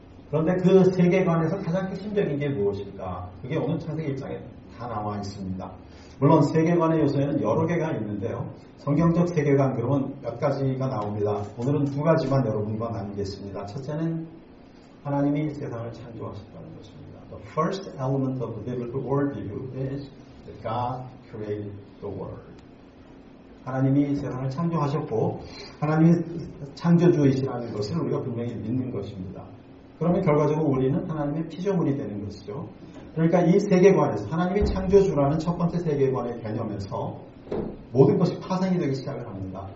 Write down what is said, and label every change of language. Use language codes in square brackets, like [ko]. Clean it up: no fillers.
[ko] 그런데 그 세계관에서 가장 핵심적인 게 무엇일까? 그게 오늘 창세기 1장에 다 나와 있습니다. 물론 세계관의 요소에는 여러 개가 있는데요. 성경적 세계관 그러면 몇 가지가 나옵니다. 오늘은 두 가지만 여러분과 나누겠습니다. 첫째는 하나님이 세상을 창조하셨다는 것입니다. [en] The first element of the biblical worldview is that God created the world. [ko] 하나님이 세상을 창조하셨고 하나님이 창조주이시라는 것을 우리가 분명히 믿는 것입니다. 그러면 결과적으로 우리는 하나님의 피조물이 되는 것이죠. 그러니까 이 세계관에서 하나님이 창조주라는 첫 번째 세계관의 개념에서 모든 것이 파생이 되기 시작을 합니다.